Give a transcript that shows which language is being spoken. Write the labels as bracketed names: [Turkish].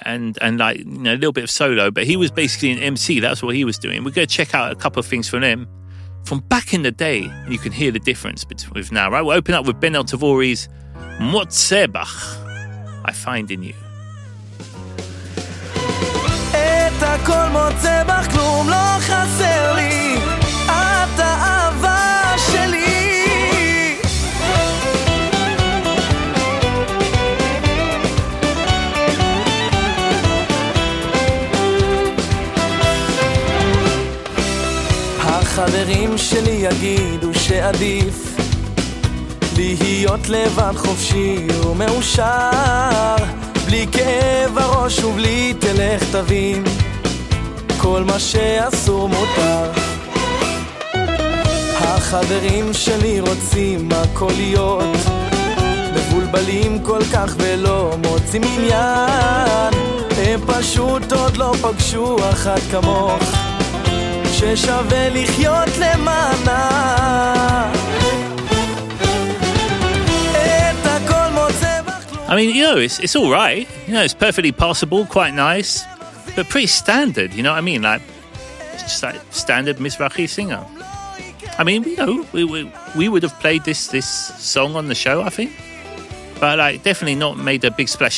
[English] And like, you know, a little bit of solo, but he was basically an MC. That's what he was doing. We're going to check out a couple of things from him from back in the day, and you can hear the difference between now, right? We'll open up with Ben-El Tavori's Motzebach, I Find in You. [Hebrew] הכל מוצא בך, כלום לא חסר לי, את האהבה שלי. החברים שלי יגידו שעדיף להיות לבד חופשי ומאושר, בלי כאב הראש ובלי תלך תבין כל מה שאסור מותר. החברים שלי רוצים הכל להיות מבולבלים כל כך ולא מוצאים עניין, הם פשוט עוד לא פגשו אחת כמוך ששווה לחיות למענה. את הכל מוצא בכלום. [English] I mean, you know, it's all right. You know, it's perfectly passable, quite nice, but pretty standard, you know what I mean? Like, it's just like standard Mizrahi singer. I mean, you know, we would have played this song on the show, I think, but like, definitely not made a big splash.